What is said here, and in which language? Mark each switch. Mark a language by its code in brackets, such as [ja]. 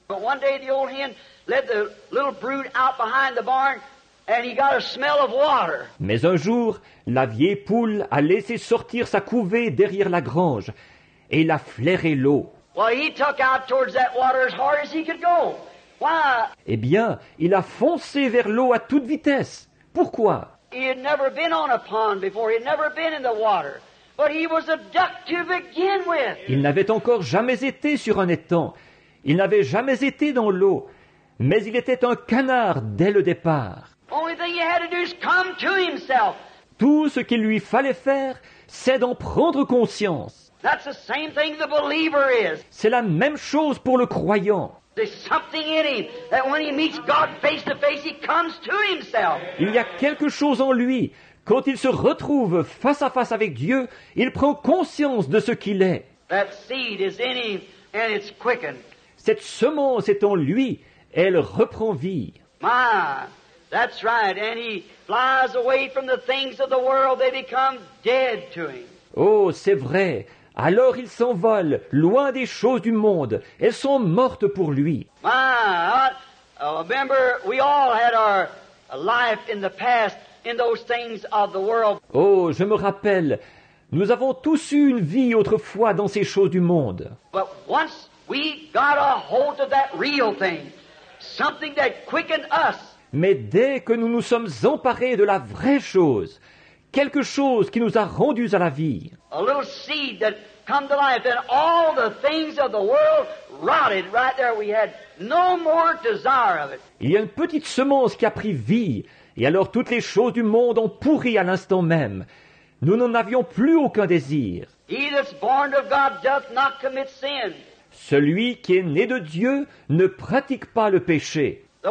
[en] But one day the old hen led the little brood out behind the barn and he got a smell of water. [fr] Mais un jour, la vieille poule a laissé sortir sa couvée derrière la grange et il a flairé l'eau. [en] Well, he took out towards that water as hard as he could go. Why? [fr] Eh bien, il a foncé vers l'eau à toute vitesse. Pourquoi? [en] He had never been on a pond before. He had never been in the water. But he was a duck to begin with. [fr] Il n'avait encore jamais été sur un étang. Il n'avait jamais été dans l'eau. Mais il était un canard dès le départ. [en] Only thing he had to do is come to himself. [fr] Tout ce qu'il lui fallait faire, c'est d'en prendre conscience. [en] That's the same thing the believer is. [fr] C'est la même chose pour le croyant. [en] There's something in him that when he meets God face to face, he comes to himself. [fr] Il y a quelque chose en lui. Quand il se retrouve face à face avec Dieu, il prend conscience de ce qu'il est. [en] That seed is in him and it's quickened. [fr] Cette semence est en lui, elle reprend vie. [en] My, that's right, and he flies away from the things of the world, they become dead to him. [fr] Oh, c'est vrai. Alors il s'envole, loin des choses du monde. Elles sont mortes pour lui. [en] My, I remember we all had our life in the past. In those things of the world. [fr] Oh, je me rappelle, nous avons tous eu une vie autrefois dans ces choses du monde. [en] But once we got a hold of that real thing, something that quickened us. [fr] Mais dès que nous nous sommes emparés de la vraie chose, quelque chose qui nous a rendus à la vie. [en] A little seed that come to life, and all the things of the world rotted right there. We had no more desire of it. [fr] Il y a une petite semence qui a pris vie. Et alors toutes les choses du monde ont pourri à l'instant même. Nous n'en avions plus aucun désir. [en] He that's born of God doth not commit sin. [fr] Celui qui est né de Dieu ne pratique pas le péché.